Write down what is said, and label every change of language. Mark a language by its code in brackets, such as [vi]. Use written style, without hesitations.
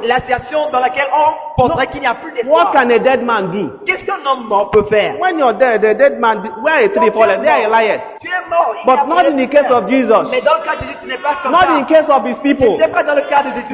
[fr] La situation dans laquelle on penserait qu'il n'y a plus d'espoir. [en] What can a dead man do? [fr] Qu'est-ce qu'un homme mort peut faire? [en] When you're dead, the dead man, where is three fallen? There he lies. [fr] Tu es mort. [en] But not in the case of Jesus. [fr] Mais dans le cas de Jésus, ce n'est pas comme [en] ça. Not in the case of his people. [fr] Ce n'est pas dans le cas de Jésus.